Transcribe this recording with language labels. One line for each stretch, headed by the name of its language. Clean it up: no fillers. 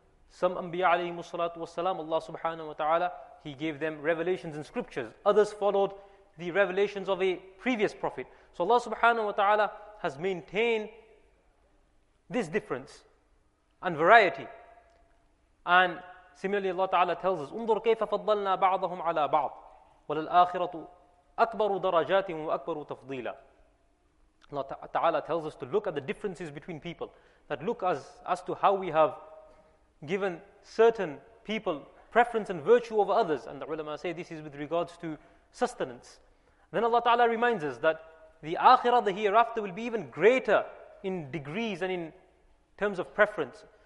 English: Some Anbiya alayhi salatu wa salam, Allah subhanahu wa ta'ala, He gave them revelations and scriptures. Others followed the revelations of a previous prophet. So Allah subhanahu wa ta'ala has maintained this difference and variety. And similarly, Allah ta'ala tells us,
Arabic: انظر كيف فضلنا بعضهم على بعض وللآخرة أكبر درجات وأكبر تفضيلا.
English: Allah ta'ala tells us to look at the differences between people, that look as to how we have given certain people preference and virtue over others. And the ulama say this is with regards to sustenance. Then Allah Ta'ala reminds us that the akhirah, the hereafter, will be even greater in degrees and in terms of preference.